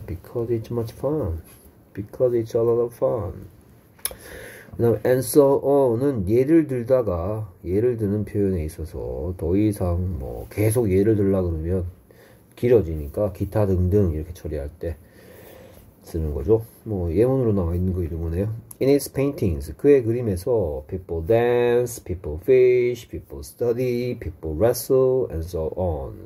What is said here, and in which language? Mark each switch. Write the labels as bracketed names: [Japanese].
[English] because it's much fun because it's a lot of fun. [Korean] 그 다음 and so on은 예를 들다가 예를 드는 표현에 있어서 더 이상 뭐 계속 예를 들라 그러면 길어지니까 기타 등등 이렇게 처리할 때 쓰는 거죠. 뭐 예문으로 나와 있는 거 이런 거네요. [English] In his paintings, [Korean] 그의 그림에서 [English] people dance, people fish, people study, people wrestle, and so on.